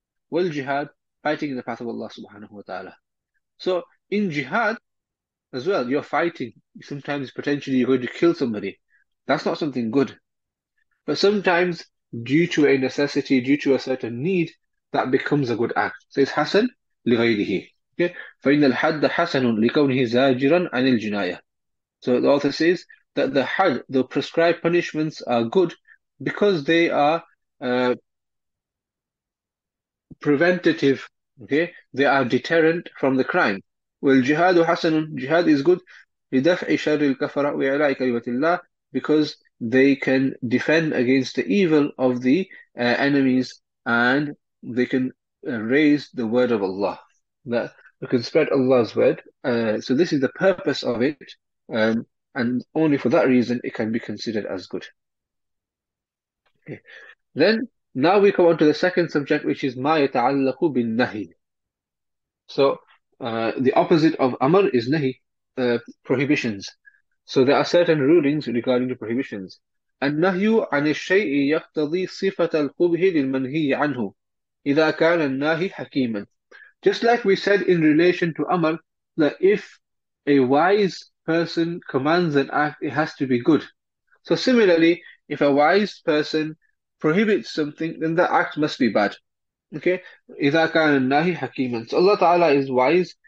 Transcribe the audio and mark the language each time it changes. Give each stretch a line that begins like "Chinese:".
English: Well, jihad, fighting in the path of Allah subhanahu wa ta'ala. So in jihad as well, you're fighting. Sometimes potentially you're going to kill somebody. That's not something good. But sometimes, due to a necessity, due to a certain need, that becomes a good act. Says Hassan لغيره. Okay.
Arabic: فإن الحد حسن لكونه زاجرا عن الجناية.
English: So the author says that the had, the prescribed punishments are good because they are preventative, okay? They are deterrent from the crime. Well, jihad hasan, jihad is good,
Arabic: لدفع شر الكفرة وإعلاء كلمة الله,
English: because they can defend against the evil of the enemies and they can raise the word of Allah. That we can spread Allah's word. So this is the purpose of it. And only for that reason it can be considered as good. Okay. Then now we come on to the second subject, which is
Arabic: ما يتعلق بالنهي.
English: So the opposite of amr is nahi, prohibitions. So there are certain rulings regarding the prohibitions.
Arabic: النهي عن الشيء يقتضي صفة القبح للمنهي عنه إذا كان الناهي حكيما.
English: Just like we said in relation to amr, that if a wise person commands an act, it has to be good. So similarly, if a wise person prohibits something, then that act must be bad. Okay?
Arabic: إذا كان الناهي حكيما.
English: So Allah Ta'ala is wise.